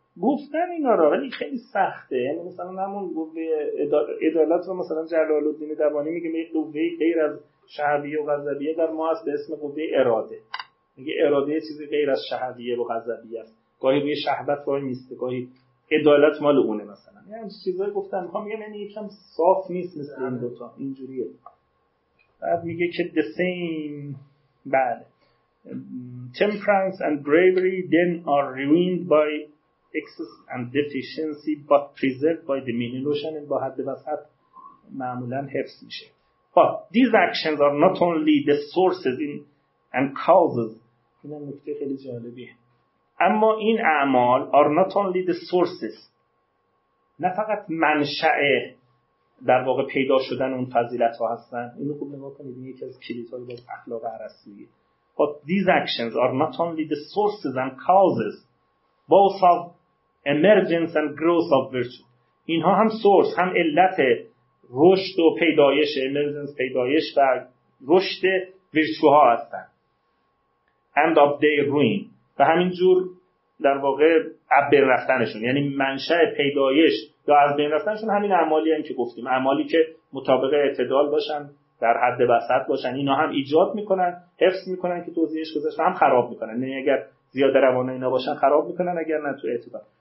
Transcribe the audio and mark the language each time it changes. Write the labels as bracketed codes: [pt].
[fa] گفتن اینا رو، ولی خیلی سخته، یعنی مثلا همون قوه عدالت رو مثلا جلال الدین دوانی میگه یه قوه غیر از شهویه و غضبیه در ما هست به اسم قوه اراده. میگه اراده چیزی غیر از شهویه و غضبیه است، گاهی روی شهوت وای میسته، گاهی عدالت مال اونه مثلا. یعنی چیزایی گفتن ها، میگه یعنی یکم صاف نیست مثل این دوتا اینجوریه. بعد میگه که [en] the same [fa] بله [en] temperance and bravery then are ruined by excess and deficiency but preserved by the mean. [fa] روشن با حد وسط معمولا حفظ میشه. [en] But these actions are not only the sources in and causes. [fa] این هم نکته خیلی جالبیه. اما این اعمال [en] are not only the sources، [fa] نه فقط منشأ در واقع پیدا شدن اون فضیلت ها هستن. اینو خوب نگاه کنید، این یکی از کلیت های باز اخلاق ارسطویی. [en] But these actions are not only the sources and causes both of emergence and growth of virtue. [fa] اینها هم source، هم علت رشد و پیدایش، emergence پیدایش و رشد ویرچوها هستن. [en] And of their ruin، [fa] و همین جور در واقع عبر رفتنشون، یعنی منشأ پیدایش یا از بین رفتنشون همین اعمالی هم که گفتیم، اعمالی که مطابق اعتدال باشن، در حد وسط باشن، اینا هم ایجاد میکنن، حفظ میکنن که توضیحش گذاشت، هم خراب میکنن، یعنی اگر زیاد روانه اینا باشن خراب میکنن اگر نه تو اعتدال.